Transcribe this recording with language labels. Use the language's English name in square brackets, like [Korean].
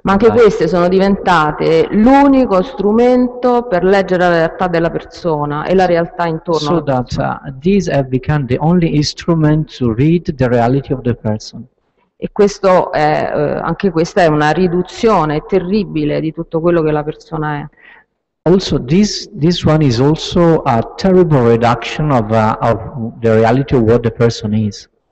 [Italian] Ma anche queste sono diventate l'unico strumento per leggere la realtà della persona e la realtà intorno. [English] So that these have become the only instrument to read the reality of the person. [Italian] E questo è anche questa è una riduzione terribile di tutto quello che la persona è. [English] Also this one is also a terrible reduction of the reality of what the person is.